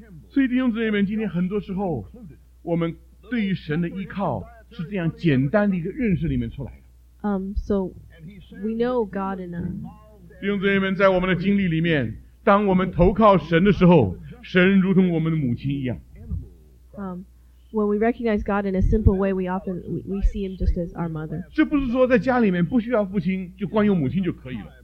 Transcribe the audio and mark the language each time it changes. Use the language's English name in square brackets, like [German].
[Chinese] 所以弟兄姊妹们，今天很多时候，我们对于神的依靠是这样简单的一个认识里面出来的。 [English] So we know God in a. [Chinese] 弟兄姊妹们，在我们的经历里面，当我们投靠神的时候。神如同我们的母亲一样。 [English] When we recognize God in a simple way, we see Him just as our mother. [Chinese] 这不是说在家里面不需要父亲，就光有母亲就可以了。